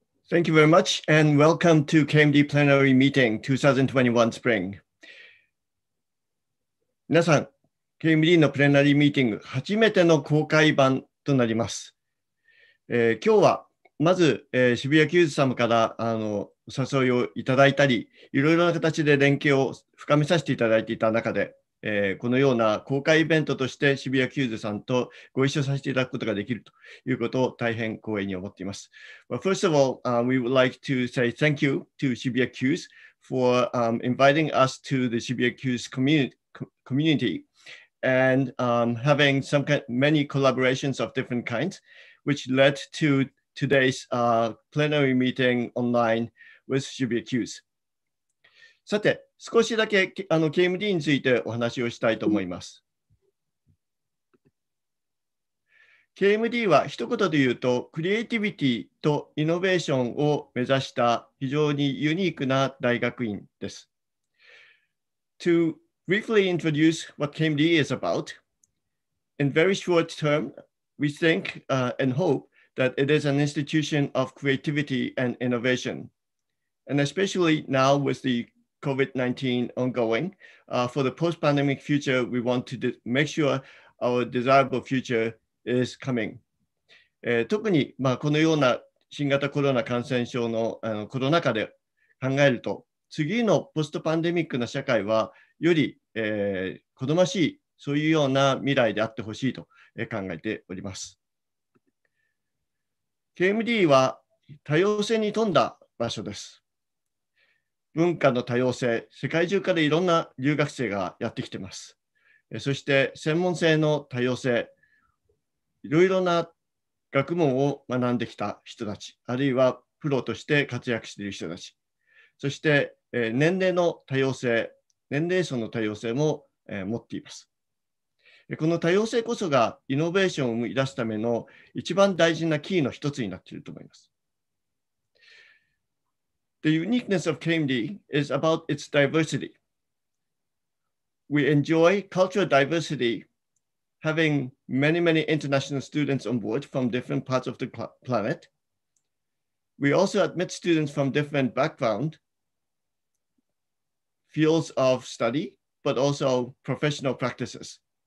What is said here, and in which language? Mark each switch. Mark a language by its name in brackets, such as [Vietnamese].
[English] Thank you very much, and welcome to KMD Plenary Meeting 2021 Spring. [Japanese] 皆さん、KMD のプレナリーミーティング初めての公開版となります。今日はまず、渋谷キューズ様からお誘いをいただいたり、いろいろな形で連携を深めさせていただいていた中で、このような公開イベントとして渋谷キューズさんとご一緒させていただくことができるということを大変光栄に思っています。 [English] Well, first of all, we would like to say thank you to Shibuya Kyuz for inviting us to the Shibuya Kyuz community and having some many collaborations of different kinds, which led to today's plenary meeting online with Shibuya Kyuz. [Japanese] さて、少しだけKMD についてお話をしたいと思います。 KMD は一言で言うと、クリエイティビティとイノベーションを目指した非常にユニークな大学院です。 [English] To briefly introduce what KMD is about, in very short term, we think and hope that it is an institution of creativity and innovation, and especially now with theCOVID-19 ongoing. For the post-pandemic future, we want to make sure our desirable future is coming. [Japanese] 特に、まあ、このような新型コロナ感染症の、コロナ禍で考えると、次のポストパンデミックな社会はより、好ましい、そういうような未来であってほしいと、考えております。 KMD は多様性に富んだ場所です。文化の多様性、世界中からいろんな留学生がやってきています。そして専門性の多様性、いろいろな学問を学んできた人たち、あるいはプロとして活躍している人たち、そして年齢の多様性、年齢層の多様性も持っています。この多様性こそがイノベーションを生み出すための一番大事なキーの一つになっていると思います。 [English] The uniqueness of KMD is about its diversity. We enjoy cultural diversity, having many, many international students on board from different parts of the planet. We also admit students from different background, fields of study, but also professional practices.